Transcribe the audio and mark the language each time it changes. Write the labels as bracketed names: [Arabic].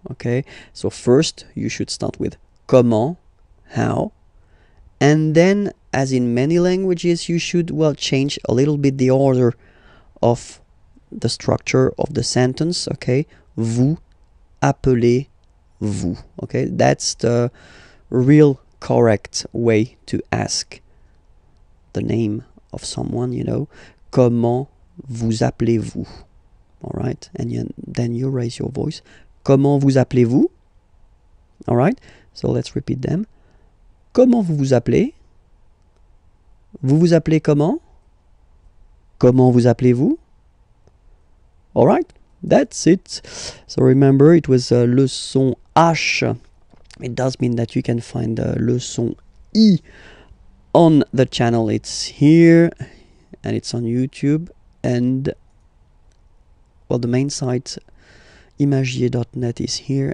[English] Okay, so first you should start with comment, how, and then, as in many languages, you should, well, change a little bit the order of the structure of the sentence. [French] Okay, vous appelez vous. [English] Okay, that's the real correct way to ask the name of someone, you know. [French] Comment vous appelez-vous? [English] All right, and then you raise your voice. [French] Comment vous appelez-vous? [English] All right, so let's repeat them. [French] Comment vous vous appelez? Vous vous appelez comment? Comment vous appelez-vous? [English] All right, that's it. So remember, it was leçon H. It does mean that you can find leçon I on the channel. It's here and it's on YouTube. And, well, the main site, imagier.net, is here.